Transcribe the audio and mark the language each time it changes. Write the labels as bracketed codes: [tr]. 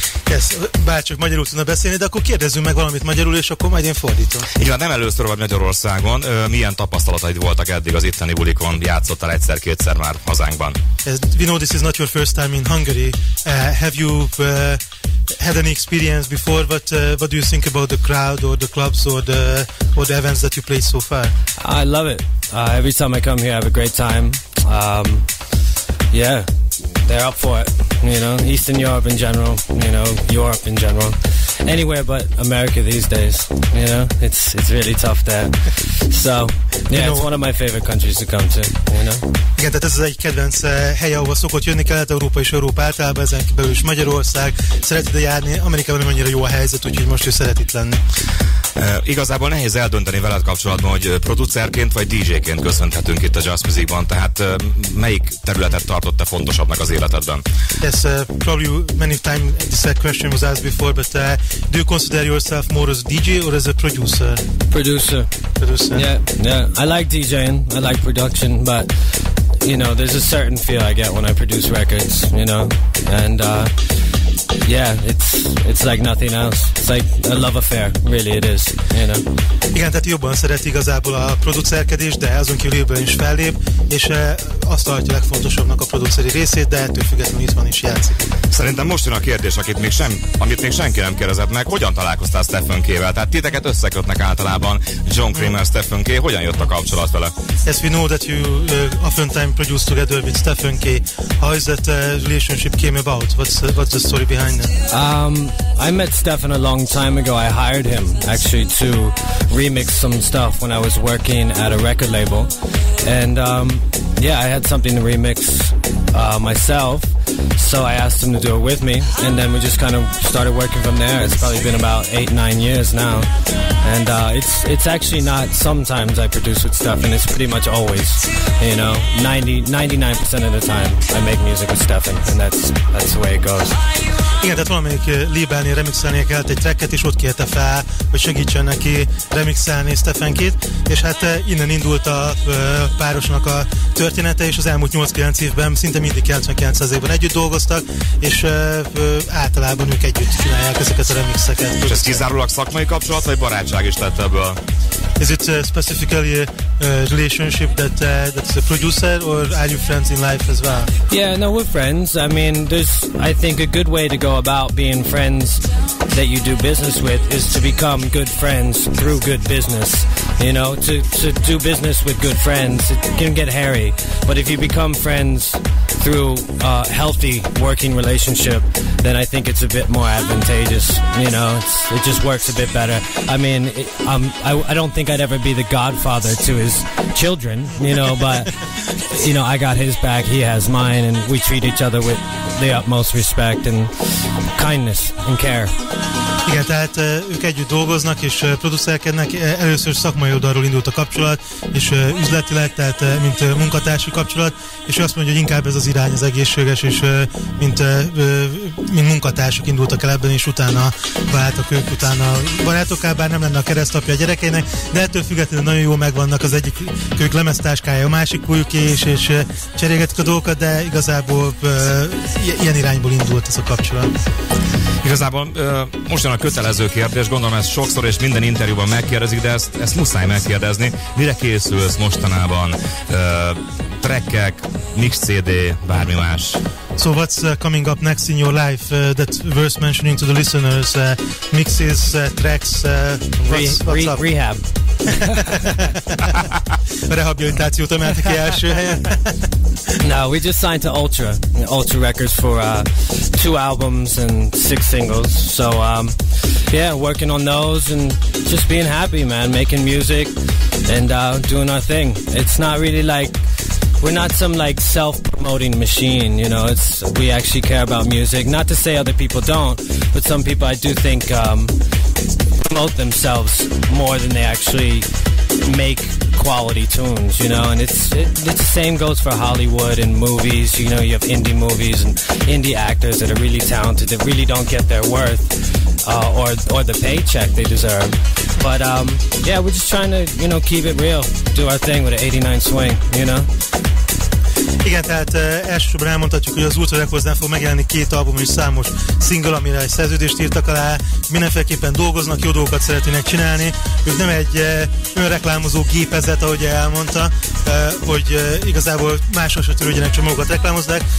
[hu] Yes, bárcsak magyarul tudna beszélni, de akkor kérdezzünk meg valamit magyarul, és akkor majd én fordítom. Így van, nem először vagy Magyarországon. Milyen tapasztalataid voltak eddig az itteni bulikon? Játszottál egyszer-kétszer már hazánkban? [en] Yes, we know this is not your first time in Hungary. Have you had any experience before? What do you think about the crowd or the clubs or the events that you played so far? I love it. Every time I come here, I have a great time. Yeah, they're up for it, you know, Eastern Europe in general, you know, Europe in general, anywhere but America these days, you know, it's really tough there, so, yeah, you know, it's one of my favorite countries to come to, you know. [hu] Igen, tehát ez az egy kedvenc hely, ahova szokott jönni, Kelet-Európa és Európa általában, ezen belül is Magyarország, szeret ide járni, Amerikában nem annyira jó a helyzet, úgyhogy most ő szeret itt lenni. Igazából nehéz eldönteni veled kapcsolatban, hogy producerként vagy DJ-ként köszönhetünk itt a Just Musicban, tehát melyik területet tartotta fontosabbnak az életedben? [en] Yes, probably many times this question was asked before, but do you consider yourself more as a DJ or as a producer? Producer. Producer. Yeah. I like DJing, I like production, but you know, there's a certain feel I get when I produce records, you know, and yeah, it's like nothing else. It's like a love affair, really it is, you know. [hu] Igen, tehát jobban szeret igazából a producerkedést, de azon kívülben is fellép, és azt tartja legfontosabbnak a produceri részét, de ettől függetlenül itt van és játszik. Szerintem most jön a kérdés, amit még senki nem kérdezett meg, hogyan találkoztál Stephen K-vel? Tehát titeket összekötnek általában John Creamer, Stephen K, hogyan jött a kapcsolat vele? [en] Yes, we know that you oftentimes produce together with Stephen K. How is that relationship came about? What's the story behind it? I met Stephen a long time ago. I hired him actually to remix some stuff when I was working at a record label. And yeah, I had something to remix myself. So I asked him to do it with me, and then we just kind of started working from there. It's probably been about 8-9 years now, and it's actually not sometimes I produce with Stefan, it's pretty much always, you know, 99% of the time I make music with Stefan, and that's the way it goes. [hu] Igen, tehát valamelyik labelnél remixelnie kellett egy tracket, és ott kérte fel, hogy segítsen neki remixelni Stephen K-t, és hát innen indult a párosnak a története, és az elmúlt 8-9 évben szinte mindig 99%-ban együtt dolgoztak, és általában ők együtt csinálják ezeket a remixeket. És ez kizárólag szakmai kapcsolat, vagy barátság is lett ebből? [en] Is it specifically a relationship that is a producer, or are you friends in life as well? Yeah, no, we're friends. I mean, there's, I think, a good way to go about being friends that you do business with is to become good friends through good business. You know, to do business with good friends, it can get hairy. But if you become friends through a healthy working relationship, then I think it's a bit more advantageous. You know, it just works a bit better. I mean, I don't think I'd ever be the godfather to his children, you know, but, you know, I got his back, he has mine, and we treat each other with the utmost respect and kindness and care. [hu] Igen, tehát ők együtt dolgoznak és producerkednek, először szakmai oldalról indult a kapcsolat, és üzletileg, tehát mint munkatársi kapcsolat, és ő azt mondja, hogy inkább ez az irány az egészséges, és mint munkatársak indultak el ebben, és utána váltak ők, utána barátokká, bár nem lenne a keresztapja a gyerekeinek, de ettől függetlenül nagyon jó megvannak, az egyik kölyük lemeztáskája, a másik kölyüké is, és cserélgetik a dolgokat, de igazából ilyen irányból indult ez a kapcsolat. Igazából most jön a kötelező kérdés, gondolom ezt sokszor és minden interjúban megkérdezik, de ezt muszáj megkérdezni. Mire készülsz mostanában? Trackek, mix CD, bármi más? [en] So what's coming up next in your life that worth mentioning to the listeners? Mixes, tracks, what's up? Rehab. [hu] Rehabilitációt emelte ki első helyen. [en] No, we just signed to Ultra Records for 2 albums and 6 singles. So yeah, working on those and just being happy, man, making music and doing our thing. It's not really like we're not some like self-promoting machine, you know. It's we actually care about music. Not to say other people don't, but some people I do think promote themselves more than they actually make quality tunes, you know. And it's the same goes for Hollywood and movies. You know, you have indie movies and indie actors that are really talented that really don't get their worth or the paycheck they deserve. But yeah, we're just trying to, you know, keep it real, do our thing with an 89 swing, you know. [hu] Igen, tehát elsősorban elmondhatjuk, hogy az Ultrarekordnál fog megjelenni két album és számos single, amire egy szerződést írtak alá. Mindenféleképpen dolgoznak, jó dolgokat szeretnének csinálni. Ők nem egy önreklámozó gépezet, ahogy elmondta, hogy igazából máshol se törődjenek, csak magukat reklámozzák.